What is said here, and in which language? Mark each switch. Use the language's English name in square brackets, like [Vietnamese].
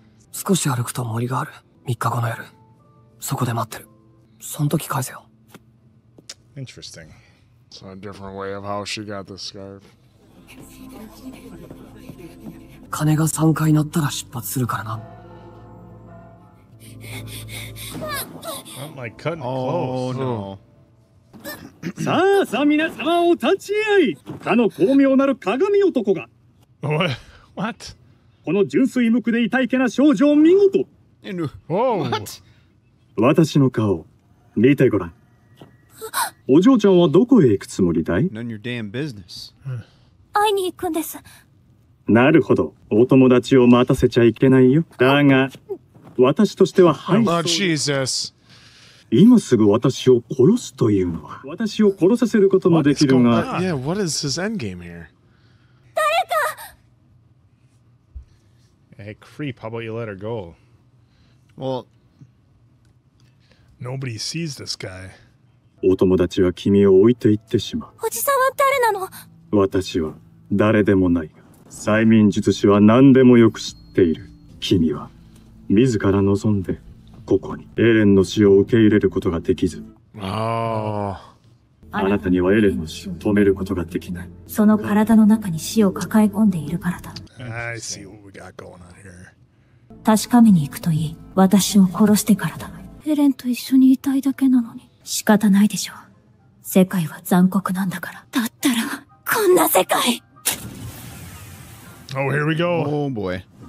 [Japanese] 少し歩くと森がある。3日後の夜、そこで待ってる。その時返せよ。 [English] Interesting. So a different way of how she got the scarf. [Japanese] 金が3回鳴ったら出発するからな。 [English] Not like cutting close. Oh, no. [Japanese] さあさあ皆様お立ち会い。かの巧妙なる鏡男が。 [English] What? [Japanese] この純粋無垢で痛いけな少女を見事。 [English] What? [Japanese] 私の顔、見てごらん。お嬢ちゃんはどこへ行くつもりだい？ [English] None your damn business. [Japanese] 会いに行くんです。なるほど。お友達を待たせちゃいけないよ。だが、私としては配 [English] 送。Oh, Jesus. [Japanese] 今すぐ私を殺すというのは、私を殺させることもできるが。 [English] Yeah, what is his endgame here? [Japanese] 誰か！ [English] Hey, creep, how about you let her go? Well, nobody sees this guy. [Japanese] お友達は君を置いていってしまう。おじさんは誰なの？私は誰でもない。催眠術師は何でもよく知っている。君は自ら望んでここにエレンの死を受け入れることができず。ああ。あなたにはエレンの死を止めることができない。その体の中に死を抱え込んでいるからだ。 [English] I see what we got going on here. [Japanese] 確かめに行くといい。私を殺してからだ。エレンと一緒にいたいだけなのに。仕方ないでしょう。世界は残酷なんだから。だったら、こんな世界。 [English] Oh, here we go. Oh, boy.